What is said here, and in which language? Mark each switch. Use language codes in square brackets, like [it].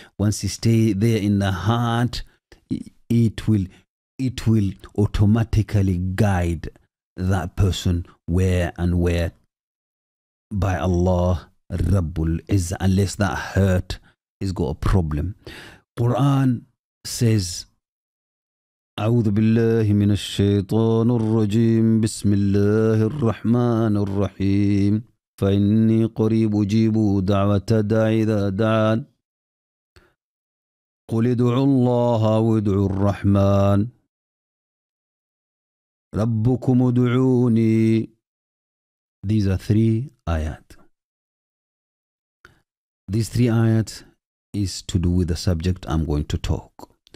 [en] Once he stay there in the heart, it will automatically guide that person where by Allah Rabbul Izzah, unless that hurt has got a problem. Quran says, [ar] أعوذ بالله من الشيطان الرجيم بسم الله الرحمن الرحيم فإني قريب أجيب دعوة داع إذا دعان قل ادعوا الله وادعوا الرحمن ربكم ادعوني. [en] These are three ayat. These three ayat is to do with the subject I'm going to talk.